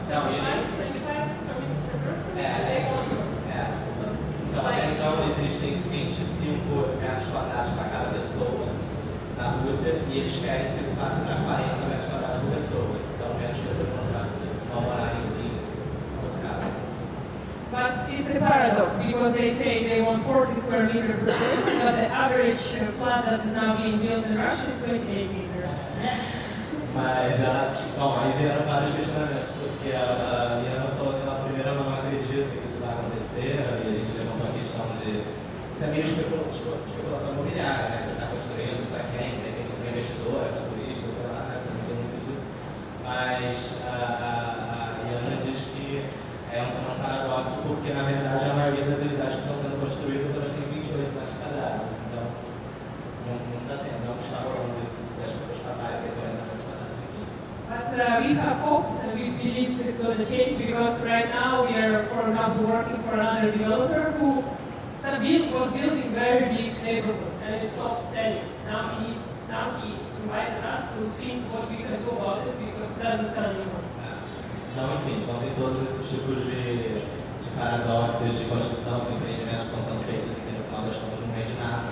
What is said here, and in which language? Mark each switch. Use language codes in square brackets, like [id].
[pt] Então, ele... Então, até então, existem 25 metros quadrados para cada pessoa na Rússia e eles querem que isso passe para 40 metros quadrados por pessoa. Então, menos pessoas vão morar em [en] it's a paradox, because they say they want 40 square meters per person, but the average flat that is now being built in Russia is 28 meters. [pt] Mas bom, aí vieram vários questionamentos, porque a Liana falou que ela primeiro não acredita que isso vai acontecer, e a gente levantou a questão de isso é meio especulação imobiliária, né? Você está construindo para quem, de repente para investidora, para turista, sei lá, né? Não sei muito disso. Mas a Liana diz que é um paradoxo, porque na verdade a maioria das unidades que estão sendo construídas elas têm 28 metros quadrados. Então não está tendo, não está falando disso, se as pessoas passarem até 40 metros quadrados. [en] But we have hope and we believe it's going to change, because right now we are, for example, working for another developer who was building very big neighborhood and it stopped selling. Now he invited us to think what we can do about it, because it doesn't sell anymore. [pt] Então, enfim, então tem todos esses tipos de paradoxos de construção, de empreendimentos que estão sendo feitos e que no final das contas não vende nada.